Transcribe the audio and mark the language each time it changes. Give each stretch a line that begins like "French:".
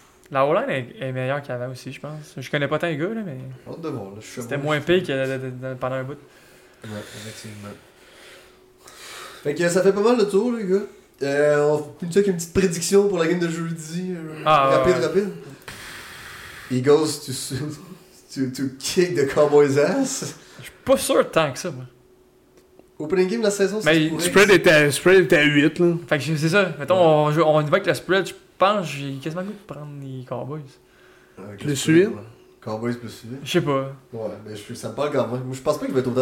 French: La O-line est meilleure qu'avant aussi, je pense. Je connais pas tant les gars, là, mais. Hâte de voir. C'était moins pire que pendant un bout. Ouais, effectivement. Fait que ça fait pas mal le tour, les gars. On finit avec une petite prédiction pour la game de jeudi. Rapide.
English: Eagles to kick the Cowboys' ass.
French: Je suis pas sûr tant que ça, moi.
English: Opening game
French: de la saison, c'est pour spread était le spread était à 8, là. Fait que c'est ça. Mettons, ouais. on y va avec le spread. Je pense que j'ai quasiment envie de prendre les Cowboys. Plus 8. Ouais. Cowboys plus 8. Je sais pas. Ouais, mais ça me parle quand même. Je pense pas qu'il va être autant